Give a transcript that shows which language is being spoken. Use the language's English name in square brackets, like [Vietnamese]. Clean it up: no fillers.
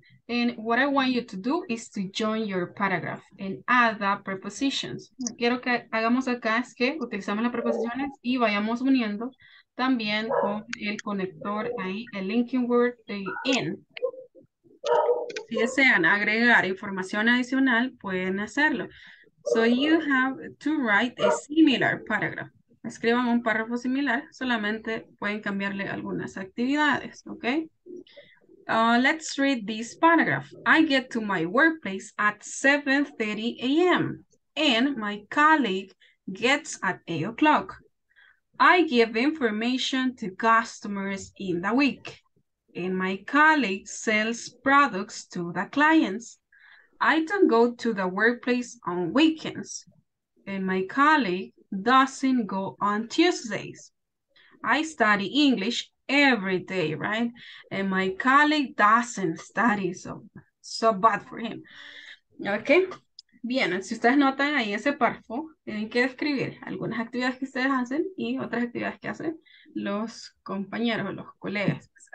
[English] And what I want you to do is to join your paragraph and add the prepositions. [Spanish] Quiero que hagamos acá es que utilizamos las preposiciones y vayamos uniendo también con el conector ahí, el linking word in. Si desean agregar información adicional, pueden hacerlo. [English] So you have to write a similar paragraph. [Spanish] Escriban un párrafo similar, solamente pueden cambiarle algunas actividades, ¿ok? [English] Let's read this paragraph. I get to my workplace at 7:30 a.m. and my colleague gets at 8 o'clock. I give information to customers in the week. And my colleague sells products to the clients. I don't go to the workplace on weekends. And my colleague doesn't go on Tuesdays. I study English every day, right? And my colleague doesn't study, so bad for him. Okay? [Spanish] Bien, si ustedes notan ahí ese párrafo, tienen que describir algunas actividades que ustedes hacen y otras actividades que hacen los compañeros, los colegas.